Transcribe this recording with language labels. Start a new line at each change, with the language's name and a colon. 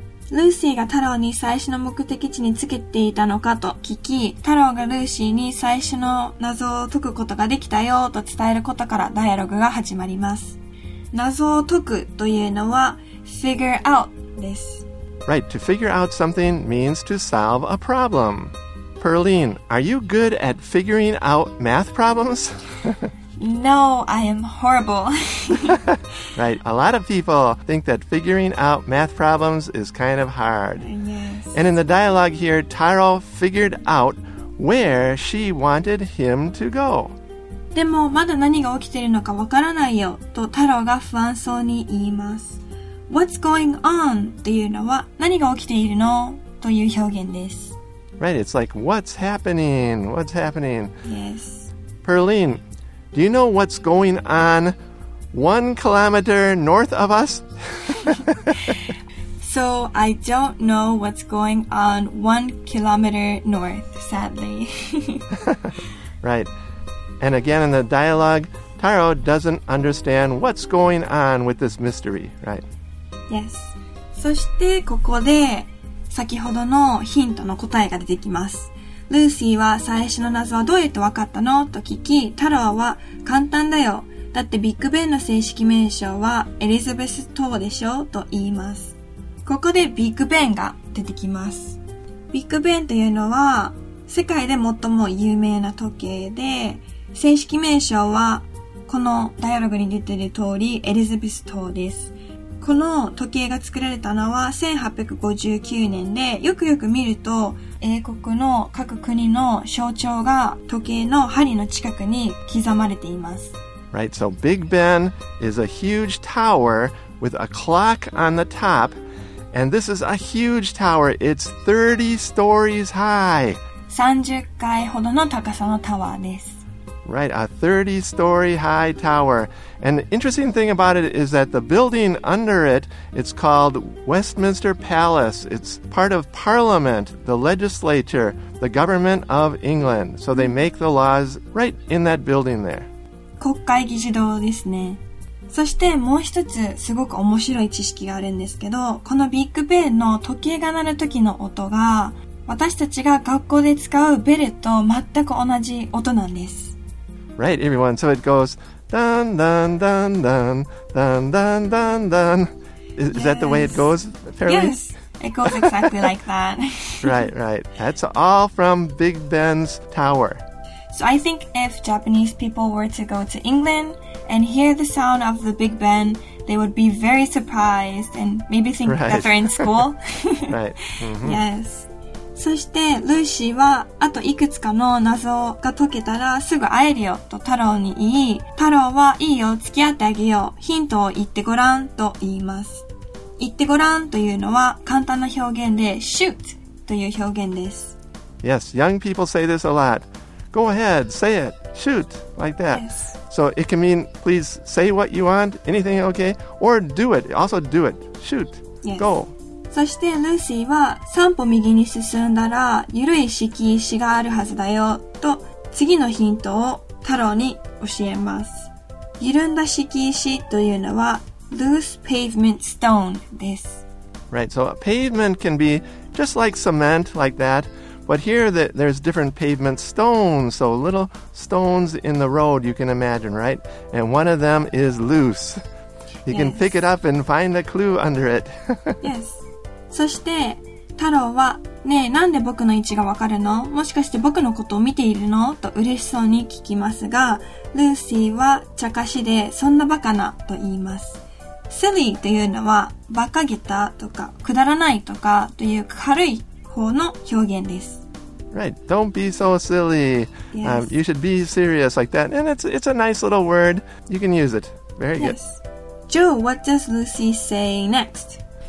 Japanese: ルーシーがタローに最初の目的地に着けていたのかと聞き、タローがルーシーに最初の謎を解くことができたよと伝えることからダイアログが始まります。謎を解くというのは figure out です。
English: Right, to figure out something means to solve a problemPerline, are you good at figuring out math problems? No, I am horrible. Right, a lot of people think that figuring out math problems is kind of hard. Yes. And in the dialogue here, Taro figured out where she wanted him to go.
Japanese: でもまだ何が起きているのかわからないよとタロが不安そうに言います。
English: What's going on?
Japanese: というのは何が起きているのという表現です。
English: Right, it's like, what's happening? What's happening? Yes. Perline, do you know what's going on 1 kilometer north of us? So, I don't know what's going on 1 kilometer north, sadly. Right. And again, in the dialogue, Taro doesn't understand what's going on with this mystery, right? Yes.
Japanese: そしてここで、先ほどのヒントの答えが出てきます。ルーシーは最初の謎はどうやって分かったのと聞き、タローは簡単だよ、だってビッグベンの正式名称はエリザベス塔でしょと言います。ここでビッグベンが出てきます。ビッグベンというのは世界で最も有名な時計で、正式名称はこのダイアログに出ている通りエリザベス塔です。この時計が作られたのは1859年で、よくよく見ると英国の各国の象徴が時計の針の近くに刻まれています。
English: Right, so Big Ben is a huge tower with a clock on the top, and this is a huge tower. It's 30 stories high.
Japanese: 30階ほどの高さのタワーです。
English: Right, a 30-story high tower. And the interesting thing about it is that the building under it, it's called Westminster Palace. It's part of Parliament, the legislature, the government of England. So they make the laws right in that building there.
Japanese: 国会議事堂ですね。そしてもう一つすごく面白い知識があるんですけど、このビッグベンの時計が鳴る時の音が、私たちが学校で使うベルと全く同じ音なんです。
English: Right, everyone. So it goes dun dun dun dun dun dun dun dun. Is, yes. Is that the way it goes? Apparently? Yes, it goes exactly like that. Right, right. That's all from Big Ben's tower. So I think if Japanese people were to go to England and hear the sound of the Big Ben, they would be very surprised and maybe think right. that they're in school. Right. Mm-hmm. Yes.
Japanese: そしてルーシーはあといくつかの謎が解けたらすぐ会えるよとタローに言い、タローはいいよ、付き合ってあげよう、ヒントを言ってごらんと言います。言ってごらんというのは簡単な表現で shoot という表現です。
English: Yes, young people say this a lot. Go ahead, say it, shoot, like that. Yes. So it can mean please say what you want, anything okay, or do it, also do it, shoot, yes. Go.
Japanese: そしてルーシーは3歩右に進んだら緩い敷石があるはずだよと次のヒントをタローに教えます。緩んだ敷石というのは
English: loose pavement stone
Japanese: です。
English: Right, so a pavement can be just like cement like that, but here there's different pavement stones, so little stones in the road you can imagine, right? And one of them is loose. You can pick it up and find a clue under it. Yes.
Japanese: そして、タロウは、ねえ、なんで僕の位置がわかるの？もしかして僕のことを見ているの？と嬉しそうに聞きますが、ルーシーは茶化しで、そんなバカなと言います。 Silly というのは、バカげたとか、くだらないとかという軽い方の表現です。
English: Right. Don't be so silly. Yes. You should be serious like that. And it's a nice little word. You can use it. Very good. Yes. Joe, what does Lucy say next?